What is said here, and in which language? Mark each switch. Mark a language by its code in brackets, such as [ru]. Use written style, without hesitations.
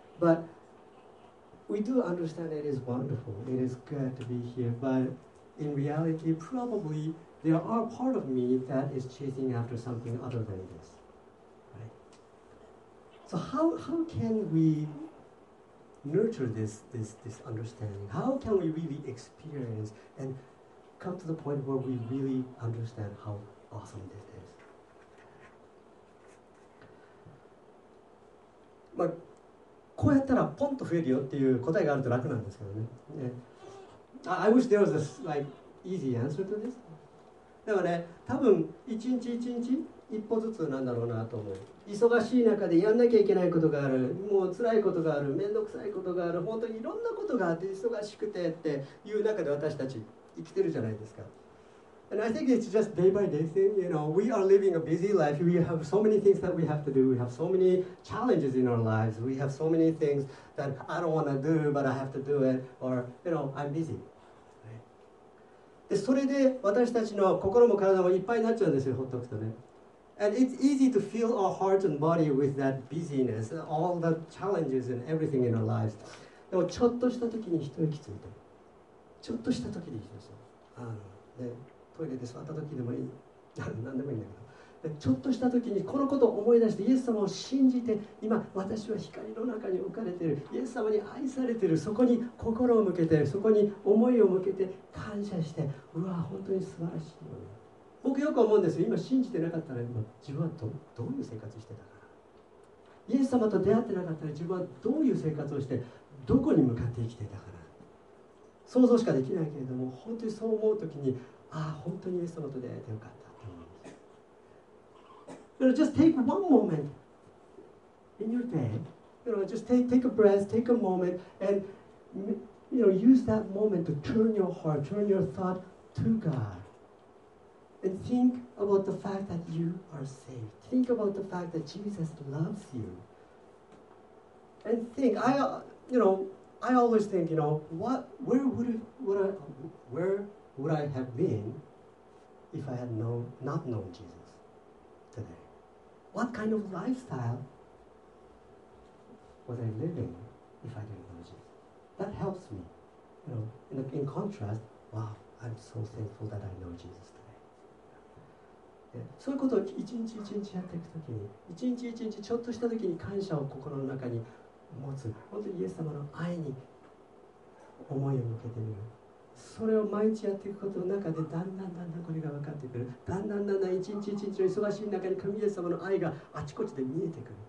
[en] ButWe do understand it is wonderful, it is good to be here, but in reality, probably there are part of me that is chasing after something other than this, right? So how can we nurture this understanding? How can we really experience and come to the point where we really understand how awesome this is? But, [ja] こうやったらポンと増えるよっていう答えがあると楽なんですけどね。 [en] I wish there was this like easy answer to this. [ja] でもね、多分一日一日一歩ずつなんだろうなと思う。忙しい中でやんなきゃいけないことがある、もう辛いことがある、めんどくさいことがある、本当にいろんなことがあって忙しくてっていう中で私たち生きてるじゃないですか。 [en] And I think it's just day by day thing. You know, we are living a busy life. We have so many things that we have to do. We have so many challenges in our lives. We have so many things that I don't want to do, but I have to do it. Or, you know, I'm busy. Right? [ja] で、それで私たちの心も体もいっぱいになっちゃうんですよ、ほっとくとね。 [en] And it's easy to fill our heart and body with that busyness, all the challenges and everything in our lives. [ja] でもちょっとした時に一息ついて、ちょっとした時に一息ついて、でトイレで座った時でもいい、何でもいいんだけど、でちょっとした時にこのことを思い出してイエス様を信じて、今私は光の中に置かれている、イエス様に愛されている、そこに心を向けて、そこに思いを向けて感謝して、うわ本当に素晴らしいよね。僕よく思うんですよ。今信じてなかったら今自分は どういう生活してたかな。イエス様と出会ってなかったら自分はどういう生活をしてどこに向かって生きてたかな。想像しかできないけれども、本当にそう思うときに、ああ本当にイエス様と出会えてよかったと思うんですよ。 [en] you know, Just take one moment in your day, you know, just take a breath, take a moment, and you know, use that moment to turn your heart, turn your thought to GodAnd think about the fact that you are saved. Think about the fact that Jesus loves you. And think, I always think, you know, where would I have been if I had not known Jesus today? What kind of lifestyle was I living if I didn't know Jesus? That helps me. You know, in contrast, wow, I'm so thankful that I know Jesus today. [ja] そういうことを一日一日やっていくときに、一日一日ちょっとしたときに感謝を心の中に持つ、本当にイエス様の愛に思いを向けてみる、それを毎日やっていくことの中でだんだんだんだんこれが分かってくる、だんだんだんだん一日一日の忙しい中に神イエス様の愛があちこちで見えてくる、